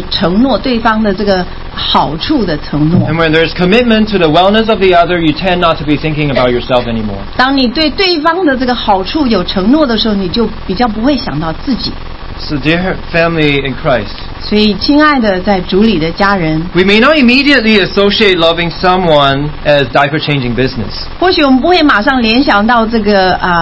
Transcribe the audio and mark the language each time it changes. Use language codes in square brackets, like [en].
[zh] 就有对对方的这样子承诺，对方的这个好处的承诺。 [en] And when there's commitment to the wellness of the other, you tend not to be thinking about yourself anymore. [zh] 当你对对方的这个好处有承诺的时候，你就比较不会想到自己。 [en] So dear family in Christ, [zh] 所以亲爱的在主里的家人, [en] we may not immediately associate loving someone as diaper changing business. [zh] 或许我们不会马上联想到这个